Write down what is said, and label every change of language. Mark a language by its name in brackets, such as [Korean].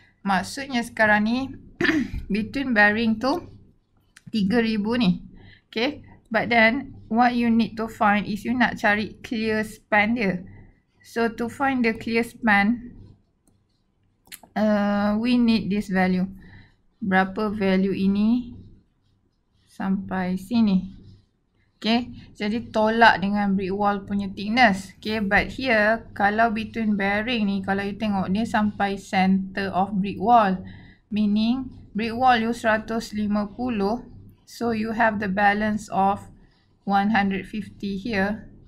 [Malay] Maksudnya sekarang ni between bearing tu 3000 ni. Okay. [English] But then what you need to find is you [Malay] nak cari [English] clear span dia. So to find the clear span, we need this value. [Malay] Berapa value ini sampai sini. Okay, jadi tolak dengan brick wall punya thickness. [English] Okay, but here, kalau between bearing ni, [Malay] kalau you tengok, dia sampai [English] center of brick wall. Meaning, brick wall you 150, so you have the balance of 150 here.